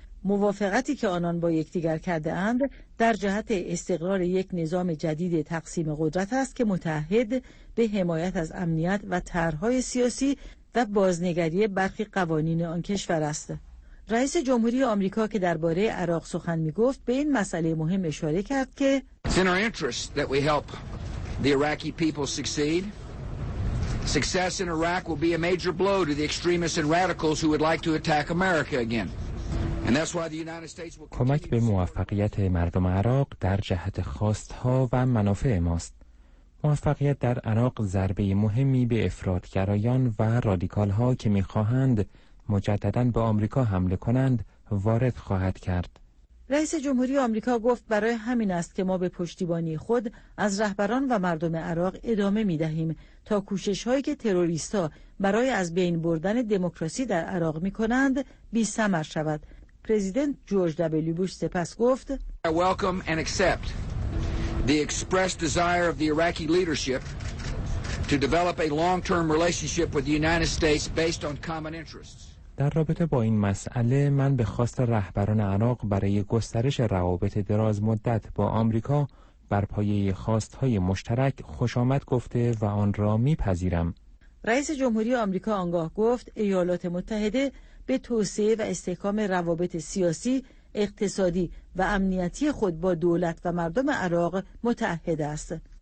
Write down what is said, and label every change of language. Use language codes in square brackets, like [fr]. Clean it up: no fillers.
[fa] موافقتی که آنان با یکدیگر کرده اند در جهت استقرار یک نظام جدید تقسیم قدرت است که متحد به حمایت از امنیت و طرح‌های سیاسی و بازنگری برخی قوانین آن کشور است. رئیس جمهوری آمریکا که درباره عراق سخن می گفت به این مسئله مهم اشاره کرد که [en] Success in Iraq will be a major blow to the extremists and radicals who would like to attack America again. And that's why the United States will [fa] کمک به موفقیت مردم عراق در جهت خواست‌ها و منافع ماست. موفقیت در عراق ضربه مهمی به افراط‌گرایان و رادیکال‌ها که می‌خواهند مجدداً به آمریکا حمله کنند وارد خواهد کرد. رئیس جمهوری آمریکا گفت برای همین است که ما به پشتیبانی خود از رهبران و مردم عراق ادامه می‌دهیم تا کوشش‌هایی که تروریست‌ها برای از بین بردن دموکراسی در عراق می‌کنند بی‌ثمر شود. پرزیدنت جورج دبلیو بوش سپس گفت: I welcome and accept the expressed desire of the Iraqi leadership to develop a long-term relationship with the United States based on common interests. در رابطه با این مسئله من به خواست رهبران عراق برای گسترش روابط دراز مدت با آمریکا بر پایه خواست‌های مشترک خوش آمد گفته و آن را می‌پذیرم. رئیس جمهوری آمریکا آنگاه گفت ایالات متحده به توسعه و استحکام روابط سیاسی، اقتصادی و امنیتی خود با دولت و مردم عراق متعهد است.